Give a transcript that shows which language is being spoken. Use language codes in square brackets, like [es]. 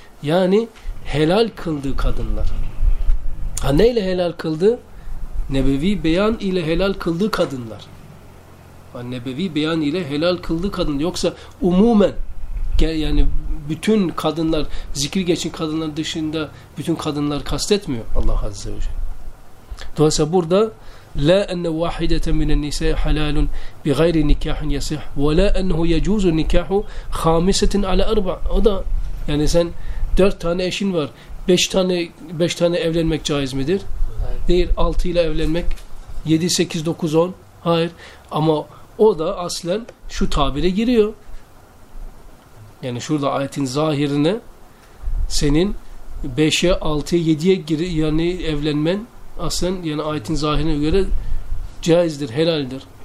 [tr] Yani helal kıldığı kadınlar. Ha neyle helal kıldı? Nebevi beyan ile helal kıldığı kadınlar. Yani nebevi beyan ile helal kıldığı kadın. Yoksa umumen yani bütün kadınlar, zikir geçen kadınlar dışında bütün kadınlar kastetmiyor Allah Azze ve Celle. Dolayısıyla burada [ar] لَا أَنَّ وَاحِدَةً مِنَ النِّسَاءِ حَلَالٌ بِغَيْرِ نِكَاحٍ يَسِحْ وَلَا أَنَّهُ يَجُوزُ النِّكَاحُ خَامِسَةٍ عَلَى اَرْبَعٍ. [tr] O da yani sen dört tane eşin var, beş tane evlenmek caiz midir? Değil. 6 ile evlenmek, 7, 8, 9, 10. Hayır. Ama o da aslen şu tabire giriyor. Yani şurada ayetin zahirine senin 5'e, 6'ya, 7'ye yani evlenmen aslen yani ayetin zahirine göre caizdir, helaldir.